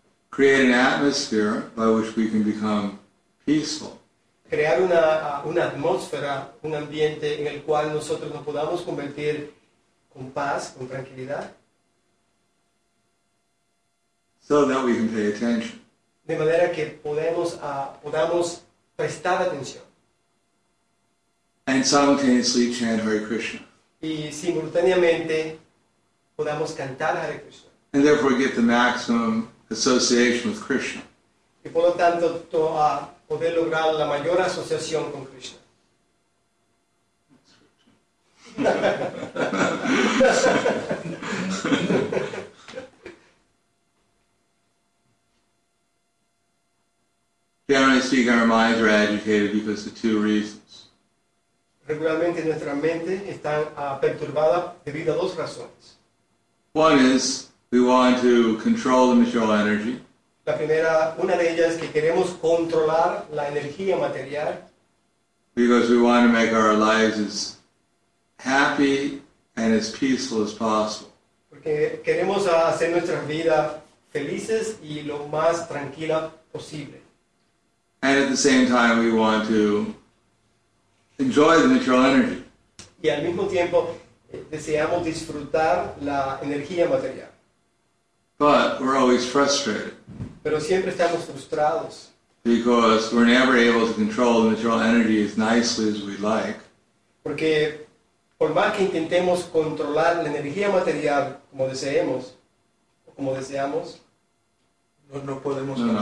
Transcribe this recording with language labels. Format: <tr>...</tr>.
<en>Create an atmosphere by which we can become peaceful.</en> <es>Crear una atmósfera, un ambiente en el cual nosotros nos podamos convertir con paz, con tranquilidad.</es> <en>So that we can pay attention.</en> <es>De manera que podamos prestar atención.</es> <en>And simultaneously chant Hare Krishna.</en> <es>Y simultáneamente podamos cantar Hare Krishna.</es> <en>And therefore get the maximum association with Krishna.</en> <es>Y por lo tanto, poder lograr la mayor asociación con Krishna.</es> <en>Generally speaking, our minds are agitated because of two reasons.</en> <es>Regularmente nuestra mente está perturbada debido a dos razones.</es> <en>One is, we want to control the material energy.</en> <es>La primera, una de ellas es que queremos controlar la energía material.</es> <en>Because we want to make our lives as happy and as peaceful as possible.</en> <es>Porque queremos hacer nuestras vidas felices y lo más tranquila posible.</es> <en>And at the same time, we want to enjoy the material energy.</en> <es>Y al mismo tiempo, deseamos disfrutar la energía material.</es> <en>But we're always frustrated.</en> <es>Pero siempre estamos frustrados.</es> <en>Because we're never able to control the material energy as nicely as we'd like.</en> <es>Porque por más que intentemos controlar la energía material como deseemos, como deseamos, no podemos</es>